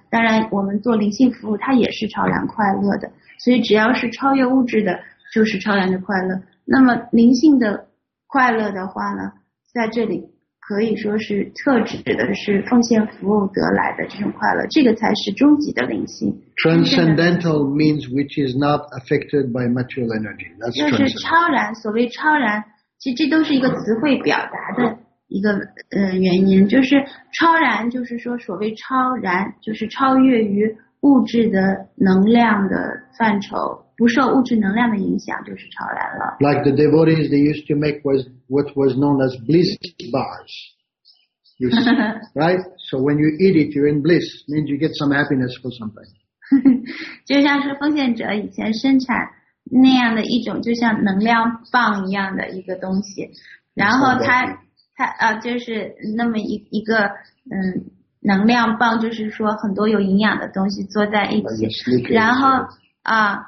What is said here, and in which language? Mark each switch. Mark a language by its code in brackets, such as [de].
[zh] 当然，我们做灵性服务，它也是超然快乐的。所以，只要是超越物质的，就是超然的快乐。那么，灵性的快乐的话呢，在这里。可以说是特指的是奉献服务得来的这种快乐，这个才是终极的灵性。 [en] Transcendental means which is not affected by material energy. That's true. [zh] 就是超然，所谓超然，其实这都是一个词汇表达的一个原因，就是超然，就是说所谓超然，就是超越于物质的能量的范畴，不受物质能量的影响，就是超然了。 [en] Like the devotees, they used to make was what was known as bliss bars. You see, right? So when you eat it, you're in bliss. Means you get some happiness for something. [zh] 就像是奉献者以前生产那样的一种，就像能量棒一样的一个东西，然后他就是那么一个能量棒，就是说很多有营养的东西坐在一起，然后啊